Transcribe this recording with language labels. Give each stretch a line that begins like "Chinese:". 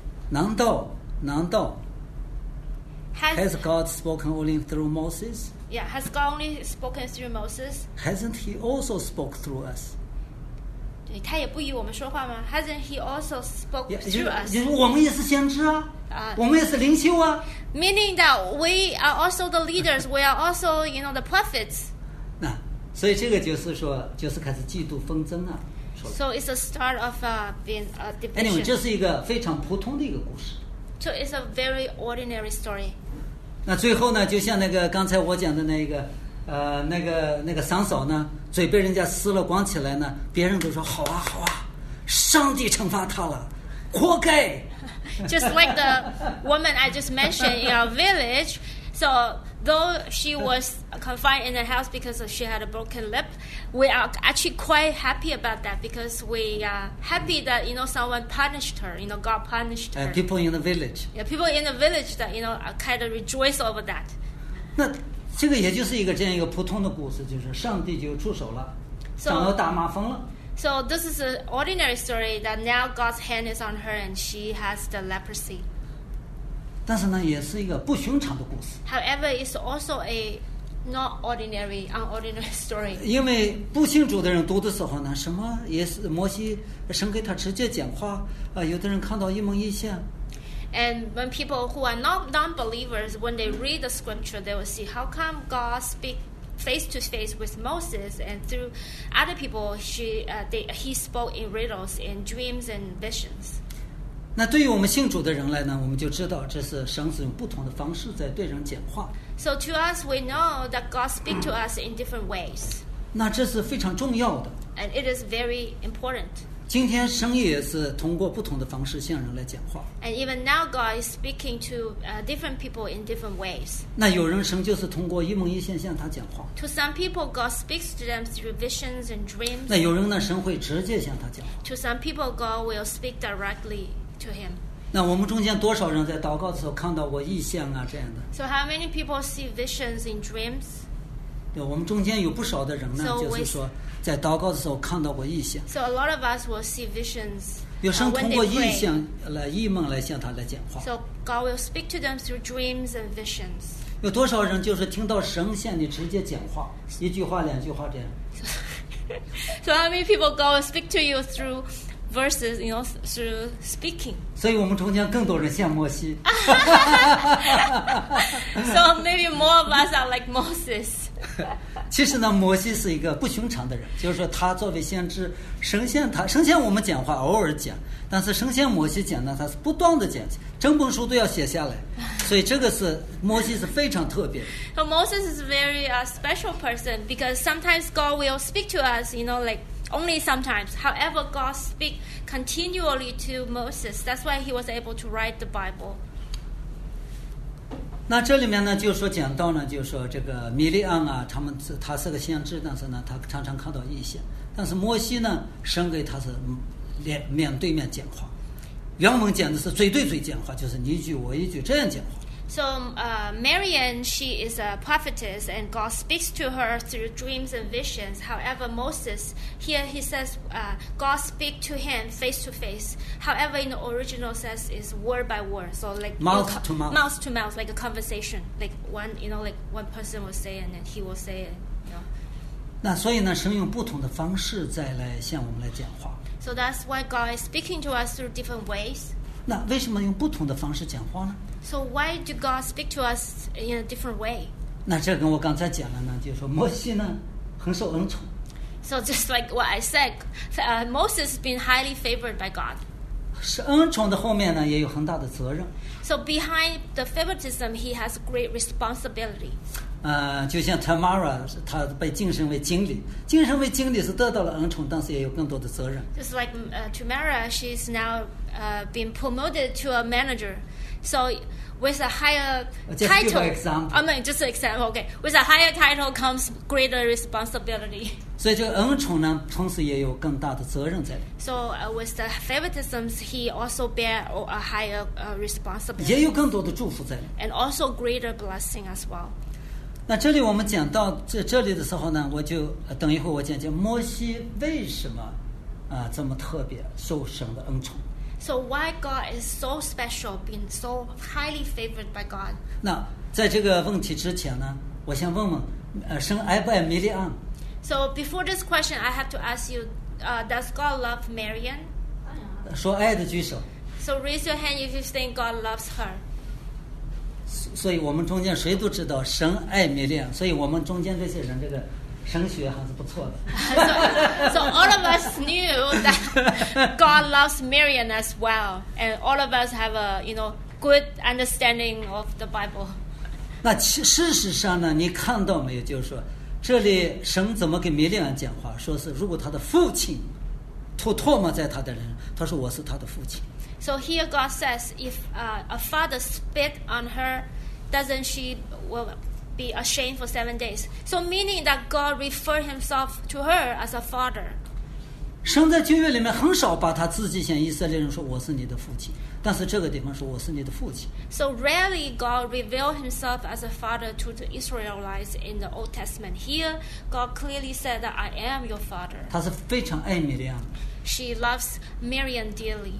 Chinese: 难道
English: has God spoken only through Moses? Yeah, has God only spoken through Moses? Hasn't he also spoke through us?
Chinese: 对，他也不与我们说话吗？
English: Hasn't he also spoke through us?
Chinese: 就是我们也是先知啊，我们也是领袖啊。
English: Meaning that we are also the leaders, we are also, you know, the prophets.
Chinese: 那，所以这个就是说，就是开始嫉妒纷争啊。
English: So it's a start of being a division. Anyway,
Chinese: 这是一个非常普通的一个故事。
English: So it's a very ordinary story.
Chinese: 那最后呢，就像那个刚才我讲的那个，那个三嫂呢，嘴被人家撕了，关起来呢，别人都说好啊好啊，上帝惩罚他了，活该。
English: Just like the woman I just mentioned in our village, so though she was confined in the house because she had a broken lip. We are actually quite happy about that because we are happy that, you know, someone punished her, you know, God punished her. People in the village. Yeah, people in the village that, you know, kind of rejoice over that.
Chinese: 那这个也就是一个这样一个普通的故事，就是上帝就出手了，长了大麻风了。
English: So this is an ordinary story that now God's hand is on her and she has the leprosy.
Chinese: 但是呢，也是一个不寻常的故事。
English: However, it's also a... Not ordinary, unordinary story.
Chinese: 因为不信主的人读的时候呢，什么也是摩西神给他直接讲话啊，有的人看到一梦一象。
English: And when people who are not non-believers, when they read the scripture, they will see how come God speak face to face with Moses, and through other people, he spoke in riddles, in dreams, and visions.
Chinese: 那对于我们信主的人来呢，我们就知道这是神使用不同的方式在对人讲话。
English: So to us, we know that God speaks to us in different ways.
Chinese: 那这是非常重要的。
English: And it is very important.
Chinese: 今天神也是通过不同的方式向人来讲话。
English: And even now, God is speaking to different people in different ways.
Chinese: 那有人神就是通过一梦一现向他讲话。
English: To some people, God speaks to them through visions and dreams.
Chinese: 那有人呢，神会直接向他讲话。
English: To some people, God will speak directly to him.
Chinese: 那我们中间多少人在祷告的时候看到过异象啊这样的
English: ？So how many people see visions in dreams？
Chinese: 对，我们中间有不少的人呢，
English: so、
Chinese: 就是说在祷告的时候看到过异象。
English: So a lot of us will see visions.
Chinese: 有神通过异象来异梦来向他来讲话。
English: So God will speak to them through dreams and visions.
Chinese: 有多少人就是听到神向你直接讲话，一句话两句话这样
English: So how many people go and speak to you through verses, you know, through speaking?
Chinese: 所以我们中间更多人像摩西。
English: So maybe more of us are like Moses.
Chinese: 其实呢，摩西是一个不寻常的人，就是说他作为先知，神仙他神仙我们讲话偶尔讲，但是神仙摩西讲呢，他是不断的讲，整本书都要写下来，所以这个是摩西是非常特别的。
English: So Moses is very a special person because sometimes God will speak to us, you know, like. Only sometimes. However, God speak continually to Moses. That's why he was able to write the Bible.
Chinese: 那这里面呢，就说讲到呢，就说这个米利安啊，他们他是个先知，但是呢，他常常看到异象。但是摩西呢，神给他是面对面讲话，原文讲的是嘴对嘴讲话，就是你一句我一句这样讲话。
English: So, Marian, she is a prophetess, and God speaks to her through dreams and visions. However, Moses, here he says, God speak to him face to face. However, in the original says is word by word. So, like mouth to mouth, like a conversation, like one, you know, like one person will say and then he will say it. You know?
Chinese: 那所以呢，神用不同的方式再来向我们来讲话。
English: So that's why God is speaking to us through different ways.
Chinese: 那为什么用不同的方式讲话呢？
English: So why do God speak to us in a different way?
Chinese: 那这跟我刚才讲了呢，就是说摩西呢很受恩宠。
English: So just like what I said, Moses has been highly favored by God.
Chinese: 是恩宠的后面呢也有很大的责任。
English: So behind the favoritism, he has great responsibility.
Chinese: 就像 Tamara, 她被晋升为经理，晋升为经理是得到了恩宠，但是也有更多的责任。
English: Just like Tamara, she's now been promoted to a manager. So, with a higher title, just an example. Okay, with a higher title comes greater responsibility.
Chinese: 所以这个恩宠呢，同时也有更大的责任在里。
English: So with the favoritism, he also bear a higher responsibility.
Chinese: 也有更多的祝福在里。
English: And also greater blessing as well.
Chinese: 那这里我们讲到这里的时候呢，我就等一会我讲讲摩西为什么这么特别受神的恩宠。
English: So why God is so special, being so highly favored by God?
Chinese: 那在这个问题之前呢，我先问问，神爱不爱米利安？
English: So before this question, I have to ask you, does God love Marian?
Chinese: 说爱的举手。
English: So raise your hand if you think God loves her.
Chinese: 所以我们中间谁都知道神爱米利安，所以我们中间这些人这个。神学还是不错的。
English: So all of us knew that God loves Marian as well, and all of us have a you know good understanding of the Bible.
Chinese: 那事实上呢，你看到没有？就是说，这里神怎么给米利安讲话？说是如果他的父亲吐唾沫在他的人，他说我是他的父亲。
English: So here God says, if a father spit on her, doesn't she will? Be ashamed for 7 days. So meaning that God referred himself to her as a father.
Chinese: 神在旧约里面很少把他自己向以色列人说我是你的父亲，但是这个地方说我是你的父亲。
English: So rarely God revealed himself as a father to the Israelites in the Old Testament. Here, God clearly said that I am your father.
Chinese: 他是非常爱米利安。
English: She loves Marian dearly.